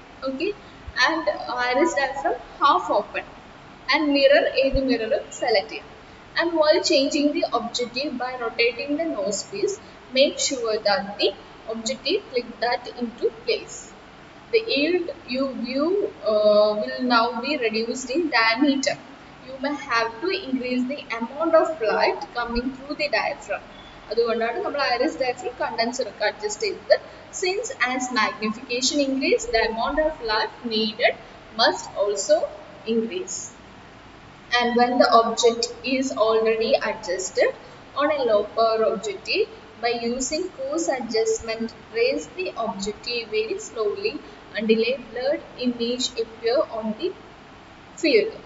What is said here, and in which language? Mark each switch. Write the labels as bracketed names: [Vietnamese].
[English] okay, and iris diaphragm half open and mirror [Malayalam] ഏത് മിററും select ചെയ്യണം. [English] And while changing the objective by rotating the nose piece make sure that the objective click that into place. The yield you view will now be reduced in diameter. You may have to increase the amount of light coming through the diaphragm. [Malayalam] അതുകൊണ്ടാണ് നമ്മൾ iris diaphragm condenser ഒക്കെ adjust ചെയ്തത്. [English] Since as magnification increase the amount of light needed must also increase. And when the object is already adjusted on a low power objective by using coarse adjustment raise the objective very slowly until a blurred image appear on the field.